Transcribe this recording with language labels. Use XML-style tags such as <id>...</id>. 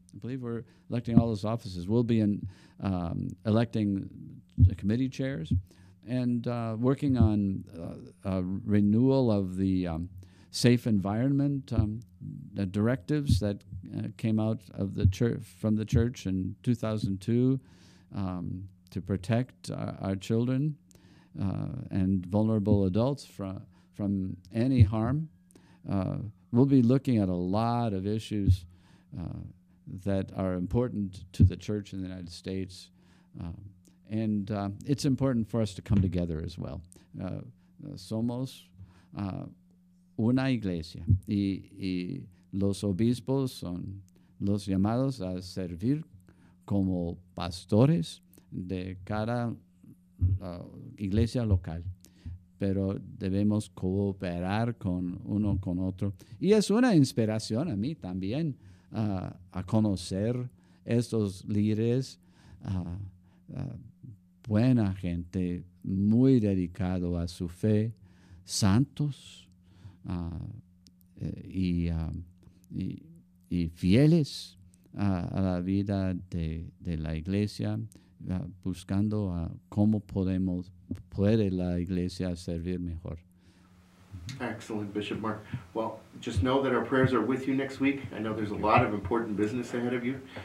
<en>I believe we're electing all those offices. We'll be electing committee chairs and working on a renewal of the safe environment the directives that came out of the church from the church in 2002 to protect our children and vulnerable adults from any harm. We'll be looking at a lot of issues that are important to the church in the United States, and it's important for us to come together as well.</en> <es>Somos una iglesia y los obispos son los llamados a servir como pastores de cada iglesia local. pero debemos cooperar con uno con otro. Y es una inspiración a mí también a conocer estos líderes, buena gente, muy dedicado a su fe, santos y fieles a la vida de la iglesia, buscando cómo puede la iglesia servir mejor.</es> <en>Excellent, Bishop Mark. Well, just know that our prayers are with you next week. I know there's a lot of important business ahead of you.</en>